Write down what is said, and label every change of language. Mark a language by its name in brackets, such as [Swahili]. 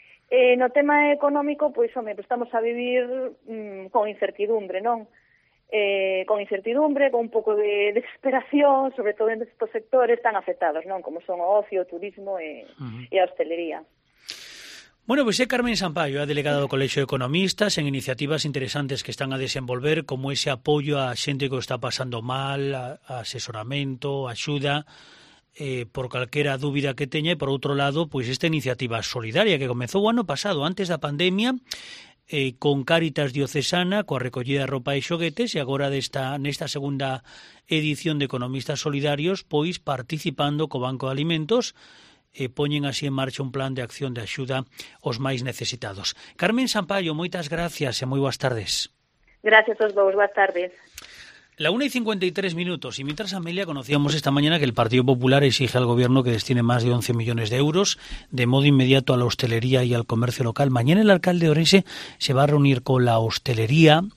[Galician] No tema económico, pues estamos a vivir con incertidumbre, non? Con un pouco de desesperación, sobre todo en estos sectores tan afectados, non? Como son o ocio, o turismo e a hostelería. Bueno, pois é Carmen Sampaio, a delegada do Colexio de Economistas, en iniciativas interesantes que están a desenvolver, como ese apoio a xente que o está pasando mal, asesoramento, axuda, por calquera dúbida que teña, e por outro lado, pois esta iniciativa solidaria que comezou o ano pasado, antes da pandemia, con Cáritas Diocesana, coa recollida de roupa e xoguetes, e agora nesta segunda edición de Economistas Solidarios, pois participando co Banco de Alimentos, e poñen así en marcha un plan de acción de axuda aos máis necesitados. Carmen Sampaio, moitas gracias e moi boas tardes. Gracias aos dous, boas tardes. [Spanish] La 1:53, e mientras Amelia, conocíamos esta mañana que el Partido Popular exige al Gobierno que destine más de 11 millones de euros de modo inmediato a la hostelería y al comercio local. Mañana el alcalde de Orense se va a reunir con la hostelería.